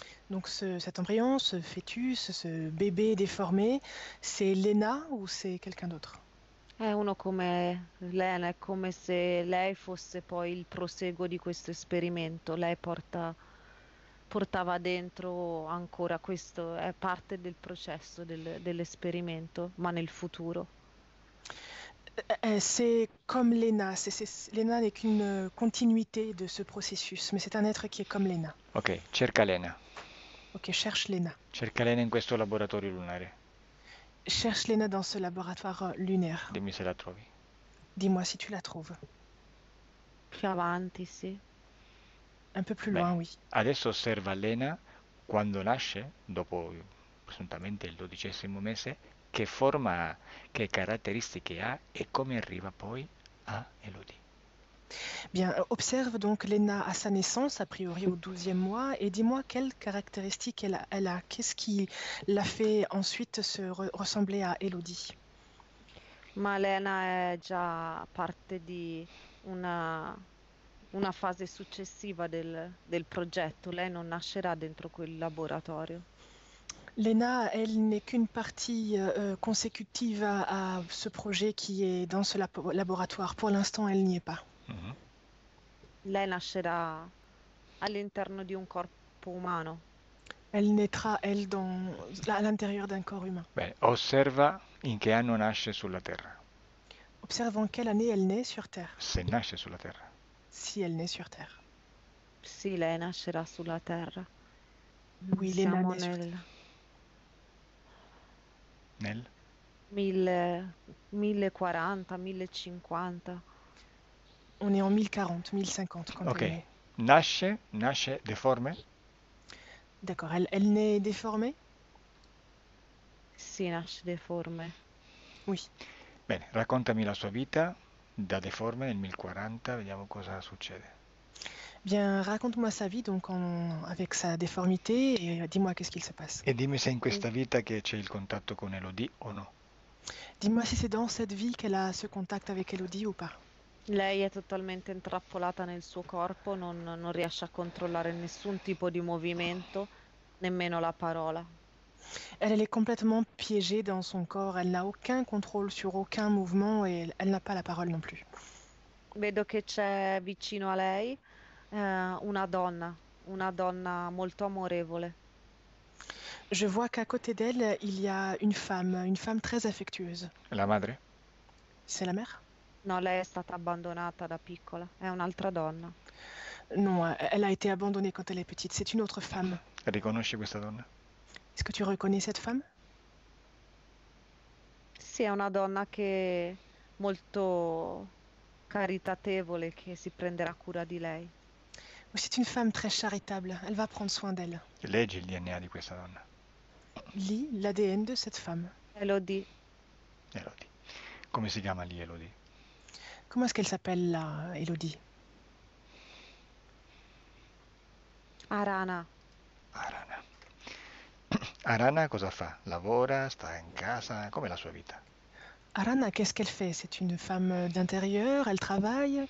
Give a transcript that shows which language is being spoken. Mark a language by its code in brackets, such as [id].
[fr] Donc cet embryon, ce fœtus, ce bébé déformé, c'est l'ENA ou c'est quelqu'un d'autre? [it] È uno come Lena, è come se lei fosse poi il proseguo di questo esperimento. Lei portava dentro ancora questo, è parte del processo dell'esperimento, ma nel futuro. [fr] C'est comme l'ENA, l'ENA n'est qu'une continuité de ce processus, mais c'est un être qui est comme l'ENA. [it] Ok, cerca l'ENA. [fr] Ok, cherche l'ENA. [it] Cerca l'ENA in questo laboratorio lunare. [fr] Cherche l'ENA dans ce laboratoire lunaire. [it] Dimmi se la trovi. Più [fr] Dis-moi si tu la trouves. [it] avanti, sì. Beh, [fr] Un peu plus loin, oui. [it] adesso osserva l'ENA quando nasce, dopo presuntamente il dodicesimo mese, che forma ha, che caratteristiche ha e come arriva poi a Elodie. [fr] Bien, observe donc l'ENA à sa naissance, a priori au 12e mois, et dis-moi quelles caractéristiques elle a. Qu'est-ce qui l'a fait ensuite se ressembler à Elodie? [it] Ma l'ENA è già parte di una fase successiva del progetto. Lei non nascerà dentro quel laboratorio. [fr] L'ENA, elle n'est qu'une partie consécutive à ce projet qui est dans ce laboratoire. Pour l'instant, elle n'y est pas. [it] Lei nascerà all'interno di un corpo umano. [fr] Elle naîtra, elle, à l'intérieur d'un corps humain. [it] Bene, osserva in che anno nasce sulla Terra. [fr] Observe en quelle année elle naît sur Terre. [it] Se nasce sulla Terra. [fr] Si elle naît sur Terre. [it] Sì, lei nascerà sulla Terra. [fr] Oui, l'ENA [it] Siamo [fr] naît sur Terre. [it] nel Nel 1040, 1050. [fr] On est en 1040, 1050 quand elle [it] Ok, [fr] naît. [it] nasce deforme. [fr] D'accord, elle naît déformée? [it] Sì, nasce deforme. Bene, raccontami la sua vita da deforme nel 1040, vediamo cosa succede. [fr] Bien, raconte-moi sa vie, donc avec sa déformité, et dis-moi qu'est-ce qu'il se passe. [it] E dimmi se in questa vita che c'è il contatto con Elodie o no. [fr] Dis-moi si c'est dans cette vie qu'elle a ce contact avec Elodie ou pas. [it] Lei è totalmente intrappolata nel suo corpo, non riesce a controllare nessun tipo di movimento, nemmeno la parola. [fr] Elle est complètement piégée dans son corps, elle n'a aucun contrôle sur aucun mouvement et elle n'a pas la parole non plus. [it] Vedo che c'è vicino a lei, una donna molto amorevole. [fr] Je vois qu'à côté d'elle, il y a une femme très affettuosa. [it] La madre? [fr] C'est la mère? [it] No, lei è stata abbandonata da piccola, è un'altra donna. [fr] Non, elle a été abandonnée quand elle est petite, c'est une autre femme. [it] Riconosci questa donna? [fr] Est-ce que tu reconnais cette femme? [it] Sì, è una donna che è molto caritatevole, che si prenderà cura di lei. [fr] C'est une femme très charitable, elle va prendre soin d'elle. [it] Leggi il DNA di questa donna. [fr] Lis l'ADN de cette femme. [it] Elodie. Come si chiama lì, Elodie? [fr] Comment est-ce qu'elle s'appelle là, Elodie? [it] Arana. Arana cosa fa? Lavora? Sta in casa? Com'è la sua vita? [fr] Arana, qu'est-ce qu'elle fait? C'est une femme d'intérieur, elle travaille.